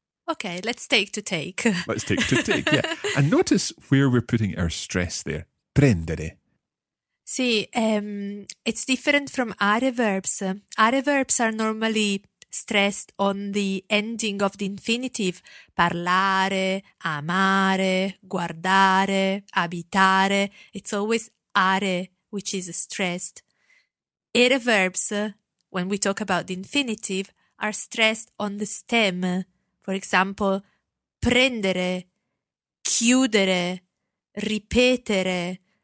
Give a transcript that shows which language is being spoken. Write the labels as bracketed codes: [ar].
[en] Okay, let's take to take. Let's take to take, yeah. And notice where we're putting our stress there. [it] Prendere. [en] Sì, it's different from are verbs. Are verbs are normally stressed on the ending of the infinitive. [it] Parlare, amare, guardare, abitare. [en] It's always are, which is stressed. Ere verbs, when we talk about the infinitive, are stressed on the stem. For example, prendere, chiudere, ripetere.